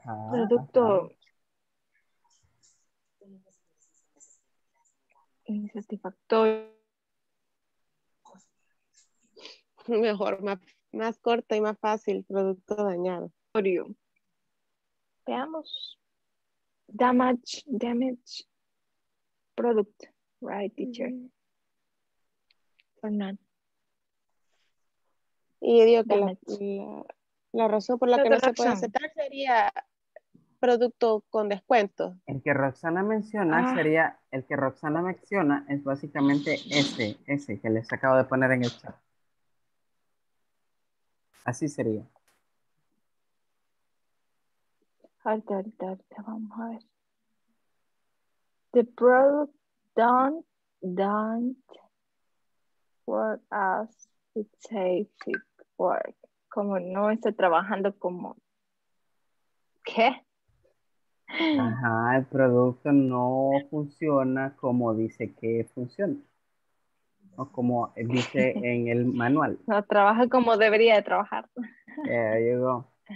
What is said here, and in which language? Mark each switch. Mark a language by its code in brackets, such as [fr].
[es] Producto... Insatisfactorio. Mejor, más corta y más fácil, producto dañado. Veamos. [en] Damage product, right, teacher? Mm-hmm. Or not? [es] Y yo digo que la razón por la que no se puede aceptar sería producto con descuento. El que Roxana menciona sería, el que Roxana menciona es básicamente ese que les acabo de poner en el chat. Así sería. Ahorita, vamos a ver. [en] The product don't work as it says it work. [es] Como no está trabajando como... ¿Qué? Ajá, el producto no funciona como dice que funciona. O como dice en el manual. No trabaja como debería de trabajar. [en] There you go.